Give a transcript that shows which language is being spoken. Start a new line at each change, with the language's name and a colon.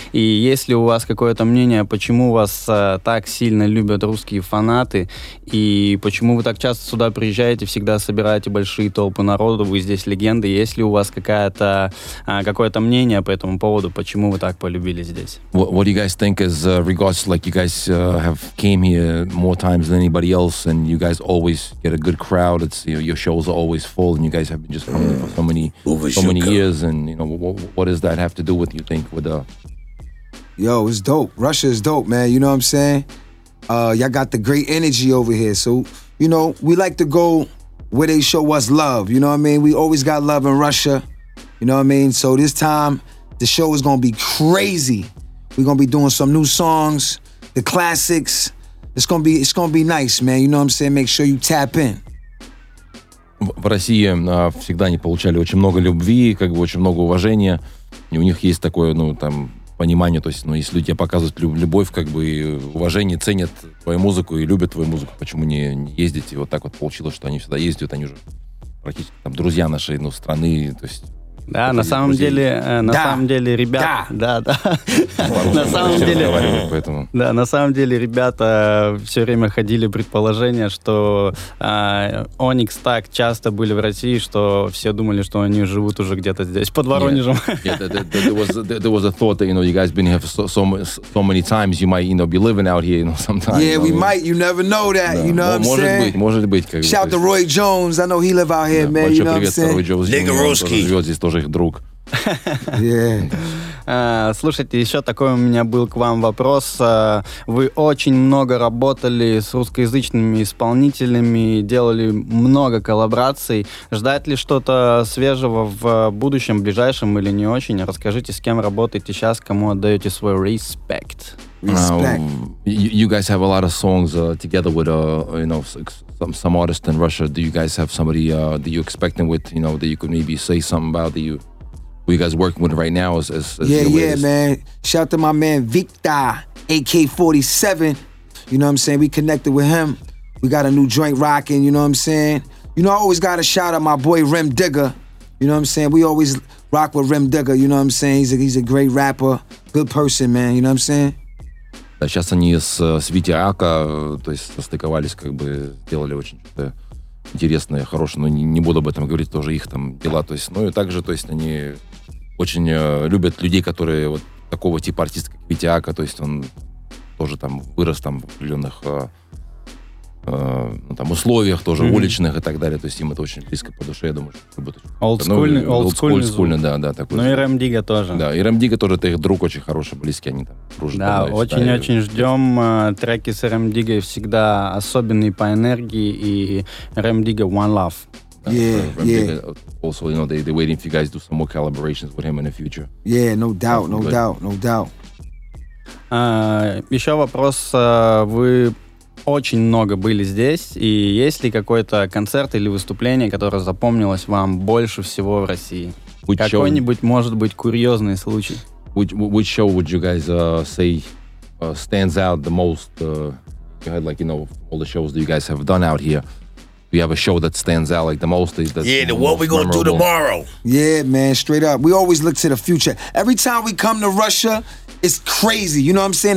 Russian: И есть ли у вас какое-то мнение, почему вас так сильно любят русские фанаты? И почему вы так часто сюда приезжаете, всегда собираете большие толпы народу? Вы здесь легенды. Есть ли у вас какое-то мнение по этому поводу, почему вы так полюбили здесь?
English: What do you guys think as regards, like you guys have came here more times than anybody else, and you guys always get a good crowd. It's, you know, your shows are always full, and you guys have been just coming for so many years, and you know, what does that have to do with, you think, with the yo, it's dope. Russia is dope, man, you know what I'm saying? Y'all got the great energy over here, so you know, we like to go where they show us love, you know what I mean? We always got love in Russia, you know what I mean? So this time the show is gonna be crazy. We're gonna be doing some new songs, the classics. It's gonna be nice, man, you know what I'm saying? Make sure you tap in.
Russian: В России всегда они получали очень много любви, как бы очень много уважения. И у них есть такое, ну, там, понимание, то есть, ну, если люди тебе показывают любовь, как бы, уважение, ценят твою музыку и любят твою музыку, почему не ездить? И вот так вот получилось, что они всегда ездят, они уже практически там друзья нашей, ну, страны, то есть... Да, на самом деле, ребята, все время ходили предположения, что Onyx так часто были в России, что все думали, что они живут уже где-то здесь под Воронежем.
English: There was a thought that, you know, you guys been here for so many times, you might, you know, be living out here, you know, sometimes. Yeah, we might. You never know that. You know what I'm saying?
Russian: Может быть.
English: Shout to Roy Jones. I know he live out here, man. You know what I'm saying? Nigga Ruski.
Russian: Друг. Слушайте, еще такой у меня был к вам вопрос. Вы очень много работали с русскоязычными исполнителями, делали много коллабораций. Ждать ли что-то свежего в будущем, ближайшем или не очень? Расскажите, с кем работаете сейчас, кому отдаете свой респект?
English: You guys have a lot of songs together with, you know, some artist in Russia. Do you guys have somebody that you're expecting with, you know, that you could maybe say something about that you... Who you guys working with right now is yeah, man. Shout out to my man Victor, AK-47. You know what I'm saying? We connected with him. We got a new joint rocking, you know what I'm saying? You know, I always got a shout out my boy Rim Digger. You know what I'm saying? We always rock with Rim Digger, you know what I'm saying? He's a great rapper, good person, man, you know what I'm saying?
Russian: Да, сейчас они с Витя Ака, то есть состыковались, как бы сделали очень что-то интересное, хорошее, но не буду об этом говорить, тоже их там дела. То есть, ну и также, то есть, они очень любят людей, которые вот такого типа артист, как Витя Ака, то есть он тоже там вырос там в определенных ну, там, условиях тоже, mm-hmm. уличных и так далее. То есть им это очень близко по душе, я думаю. Олдскульный, да. Ну и Рэм Дигга тоже. Да, и Рэм Дигга тоже, это их друг очень хороший, близкий, они там дружат. Да, очень-очень ждем. Треки с Рэм Диггой всегда особенные по энергии. И Рэм Дигга
English: One Love. Yeah, also, you know, they're waiting for you guys to do some more collaborations with him in the future. Yeah, no doubt, no doubt, no doubt.
Russian: Еще вопрос. Вы очень много были здесь, и есть ли какой-то концерт или выступление, которое запомнилось вам больше всего в России? Какой-нибудь, может быть, курьезный случай?
English: Which show would you guys say stands out the most? You had, like, you know, all the shows that you guys have done out here. We have a show that stands out like the most. Yeah, the what we gonna do tomorrow. Yeah, man, straight up. We always look to the future. Every time we come to Russia, it's crazy. You know what I'm saying?